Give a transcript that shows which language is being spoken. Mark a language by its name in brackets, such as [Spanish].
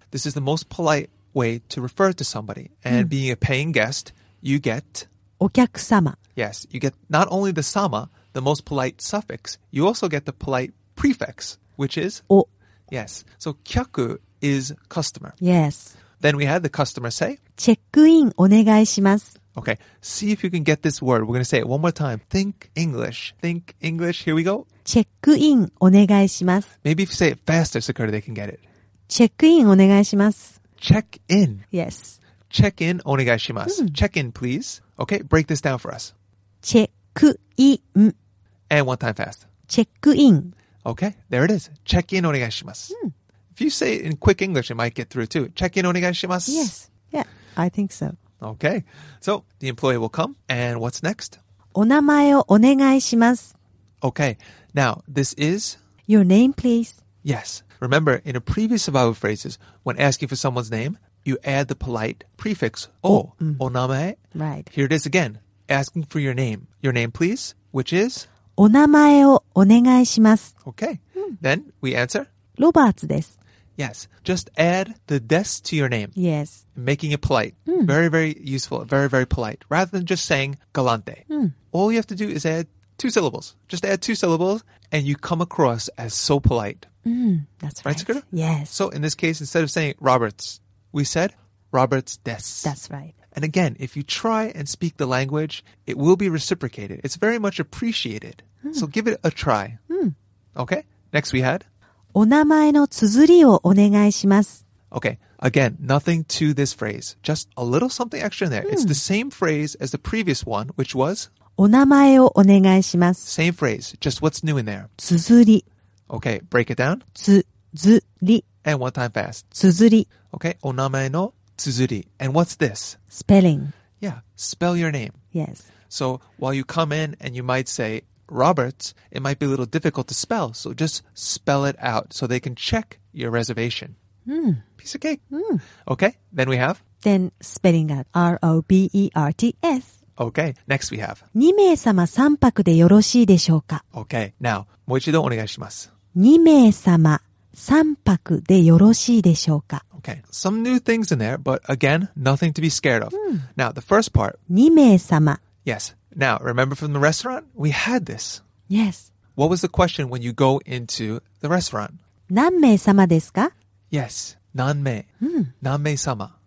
[English] This is the most polite way to refer to somebody. And being a paying guest, you get... [Japanese] お客様. [English] Yes. You get not only the sama, the most polite suffix, you also get the polite prefix, which is... [Japanese] お. [English] Yes. So, 客 is customer. Yes. Then we had the customer say... [Japanese] チェックインお願いします. [English] Okay, see if you can get this word. We're going to say it one more time. Think English. Think English. Here we go. [Japanese] Check in, お願いします. [English] Maybe if you say it faster, Sakura, they can get it. [Japanese] Check in, お願いします. [English] Check in. Yes. [Japanese] Check in, お願いします. [English] Mm. Check in, please. Okay, break this down for us. Check in. And one time fast. Check in. Okay, there it is. [Japanese] Check in, お願いします. Mm. [English] If you say it in quick English, it might get through too. [Japanese] Check in, お願いします. [English] Yes. Yeah, I think so. Okay, so the employee will come, and what's next? [Japanese] お名前をお願いします。 [English] Okay, now this is? Your name, please. Yes, remember in a previous survival phrases, when asking for someone's name, you add the polite prefix, お, お名前. Right. Here it is again, asking for your name please, which is? [Japanese] お名前をお願いします。 [English] Okay, then we answer? [Japanese] ロバーツです。 [English] Yes. Just add the desu to your name. Yes. Making it polite. Mm. Very, very useful. Very, very polite. Rather than just saying galante. Mm. All you have to do is add two syllables. Just add two syllables and you come across as so polite. Mm. That's right. Right, Sakura? Yes. So in this case, instead of saying Roberts, we said Roberts desu. That's right. And again, if you try and speak the language, it will be reciprocated. It's very much appreciated. Mm. So give it a try. Mm. Okay. Next we had. [Japanese] お名前の綴りをお願いします。 [English] Okay. Again, nothing to this phrase. Just a little something extra in there. Mm. It's the same phrase as the previous one, which was? [Japanese] お名前をお願いします。 [English] Same phrase. Just what's new in there? [Japanese] 綴り。 [English] Okay. Break it down. [Japanese] 綴り。 [English] And one time fast. [Japanese] 綴り。 [English] Okay. [Japanese] お名前の綴り。 [English] And what's this? Spelling. Yeah. Spell your name. Yes. So while you come in and you might say, Roberts, it might be a little difficult to spell, so just spell it out so they can check your reservation. Mm. Piece of cake. Mm. Okay, then we have? Then spelling out R-O-B-E-R-T-S. Okay, next we have. [Japanese] 2名様3泊でよろしいでしょうか? [English] Okay, now, [Japanese] もう一度お願いします。 2名様3泊でよろしいでしょうか? [English] Okay, some new things in there, but again, nothing to be scared of. Mm. Now, the first part. [Japanese] 2名様。 [English] Yes. Now, remember from the restaurant? We had this. Yes. What was the question when you go into the restaurant? [Japanese] 何名様ですか? Yes. 何名?Mm. 何名様?